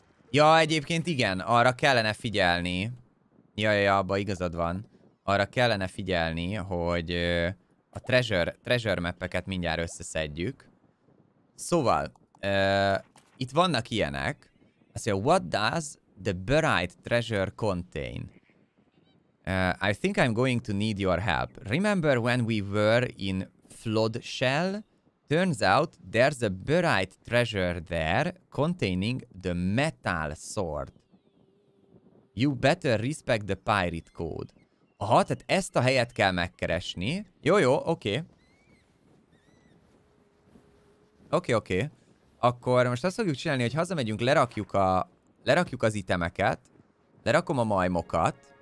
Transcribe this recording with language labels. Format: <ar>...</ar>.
<hu>Ja, egyébként igen, arra kellene figyelni. Ja, abba igazad van. Arra kellene figyelni, hogy a treasure mappeket mindjárt összeszedjük. Szóval, itt vannak ilyenek. Azt mondja,</hu> <en>what does the buried treasure contain? I think I'm going to need your help. Remember when we were in Floodshell? Turns out there's a buried treasure there containing the metal sword. You better respect the pirate code.</en> <hu>Aha, tehát ezt a helyet kell megkeresni. Jó, oké. Oké. Akkor most azt fogjuk csinálni, hogy hazamegyünk, lerakjuk az itemeket, lerakom a majmokat.</hu>